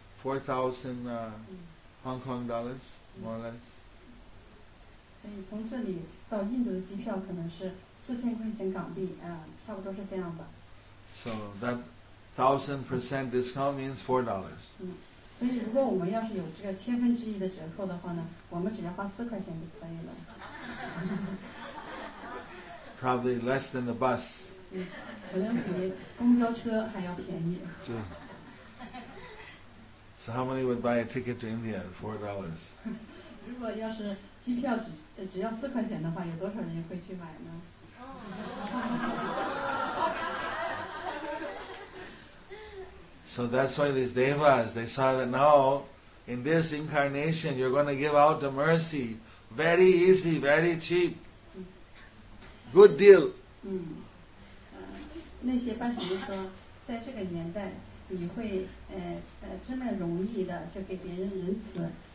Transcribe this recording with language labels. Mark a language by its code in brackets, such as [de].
[en] $4,000 Hong Kong dollars, more or less. [zh] 所以从这里到印度的机票可能是4000块钱港币，差不多是这样吧。 [en] So that 1,000% discount means $4. [zh] 所以如果我们要是有这个千分之一的折扣的话呢，我们只要花4块钱就可以了。 [en] Probably less than the bus. [zh] 可能比公交车还要便宜。对。 [en] So how many would buy a ticket to India at $4? [zh] 如果要是机票只要4块钱的话，有多少人会去买呢？ [en] So that's why these devas, they saw that now, in this incarnation, you're going to give out the mercy very easy, very cheap. Good deal. [zh] 那些班禅就说，在这个年代，你会这么容易的就给别人仁慈。